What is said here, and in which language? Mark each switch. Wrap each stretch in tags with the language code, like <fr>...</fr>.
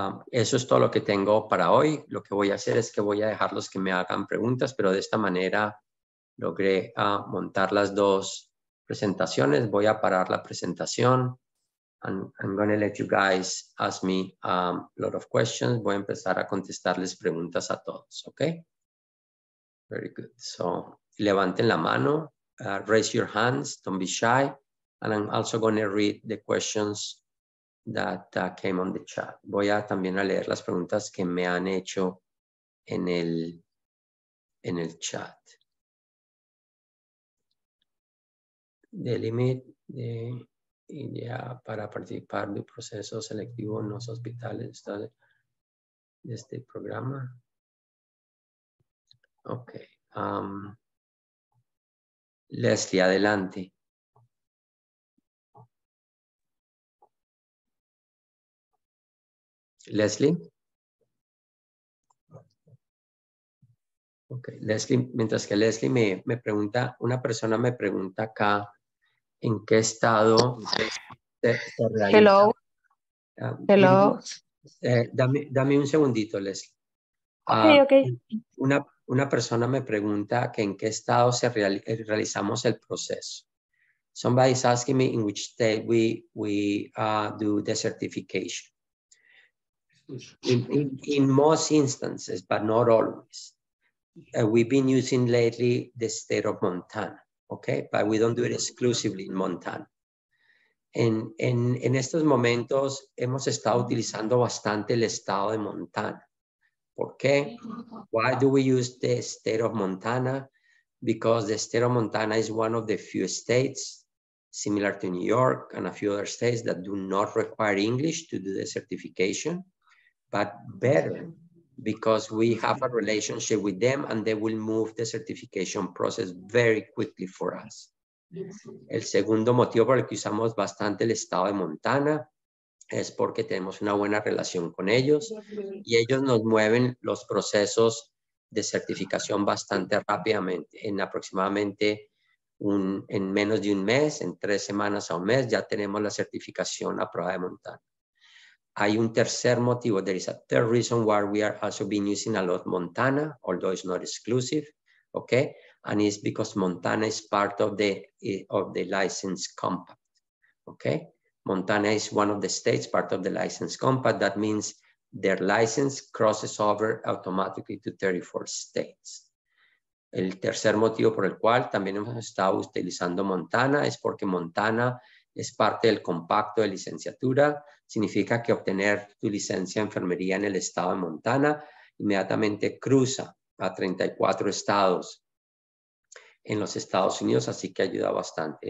<es>Eso es todo lo que tengo para hoy. Lo que voy a hacer es que voy a dejarlos que me hagan preguntas, pero de esta manera logré montar las dos presentaciones. Voy a parar la presentación.</es> <en>I'm going to let you guys ask me a lot of questions.</en> <es>Voy a empezar a contestarles preguntas a todos, okay? Very good.</es> <en>So, levanten la mano. Raise your hands. Don't be shy. And I'm also going to read the questions that came on the chat.</en> <es>Voy a también a leer las preguntas que me han hecho en el chat. The limit de India para participar de proceso selectivo en los hospitales de este programa. Okay. Leslie, adelante. Leslie. Okay, Leslie, mientras que Leslie me pregunta, una persona me pregunta acá en qué estado se realiza.</es> <en>Hello. Hello.</en> <es>Dame un segundito, Leslie. Okay, okay. Una persona me pregunta que en qué estado se realizamos el proceso.</es> <en>Somebody is asking me in which state we do the certification. In most instances, but not always, we've been using lately the state of Montana, okay? But we don't do it exclusively in Montana.</en> <es>En estos momentos, hemos estado utilizando bastante el estado de Montana.</es> <en>¿Por qué? Why do we use the state of Montana? Because the state of Montana is one of the few states, similar to New York and a few other states, that do not require English to do the certification. But better, because we have a relationship with them and they will move the certification process very quickly for us.</en> <es>El segundo motivo por el que usamos bastante el estado de Montana es porque tenemos una buena relación con ellos y ellos nos mueven los procesos de certificación bastante rápidamente. En aproximadamente en menos de un mes, en 3 semanas a un mes, ya tenemos la certificación aprobada de Montana.</es> <en>Hay un tercer motivo, there is a third reason why we are also been using a lot Montana, although it's not exclusive, okay? And it's because Montana is part of the license compact, okay? Montana is one of the states part of the license compact. That means their license crosses over automatically to 34 states.</en> <es>El tercer motivo por el cual también hemos estado utilizando Montana es porque Montana es parte del compacto de licenciatura. Significa que obtener tu licencia de enfermería en el estado de Montana inmediatamente cruza a 34 estados en los Estados Unidos, así que ayuda bastante.</es>